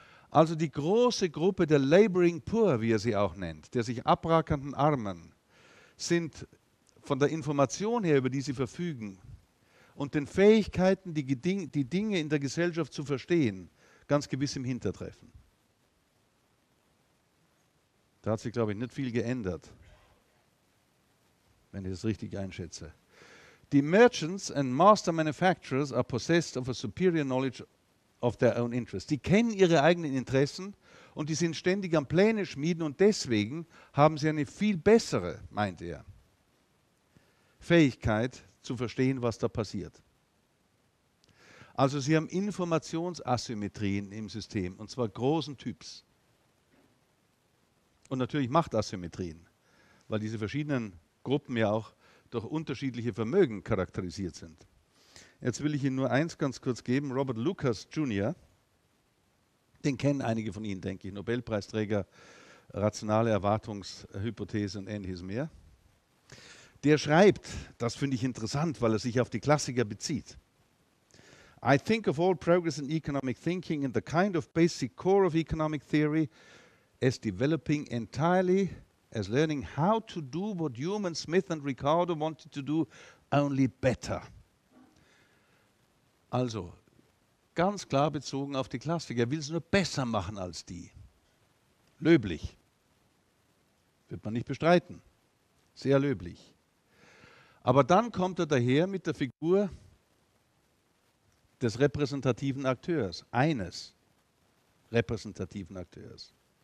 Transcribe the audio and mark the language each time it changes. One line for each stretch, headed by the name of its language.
German: Also die große Gruppe der laboring poor, wie er sie auch nennt, der sich abrackernden Armen, sind von der Information her, über die sie verfügen, und den Fähigkeiten, die Dinge in der Gesellschaft zu verstehen, ganz gewiss im Hintertreffen. Da hat sich, glaube ich, nicht viel geändert, wenn ich das richtig einschätze.
English: Die Merchants and Master Manufacturers are possessed of a superior knowledge of their own interests.
German: Die kennen ihre eigenen Interessen und die sind ständig am Pläne schmieden und deswegen haben sie eine viel bessere, meint er, Fähigkeit zu verstehen, was da passiert. Also sie haben Informationsasymmetrien im System, und zwar großen Typs. Und natürlich Machtasymmetrien, weil diese verschiedenen Gruppen ja auch durch unterschiedliche Vermögen charakterisiert sind. Jetzt will ich Ihnen nur eins ganz kurz geben, Robert Lucas Jr., den kennen einige von Ihnen, denke ich, Nobelpreisträger, rationale Erwartungshypothese und ähnliches mehr. Der schreibt, das finde ich interessant, weil er sich auf die Klassiker bezieht.
English: I think of all progress in economic thinking and the kind of basic core of economic theory as developing entirely as learning how to do what Hume and Smith and Ricardo wanted to do, only better.
German: Also, ganz klar bezogen auf die Klassiker, er will es nur besser machen als die. Löblich. Wird man nicht bestreiten. Sehr löblich. Aber dann kommt er daher mit der Figur des repräsentativen Akteurs, eines repräsentativen Akteurs.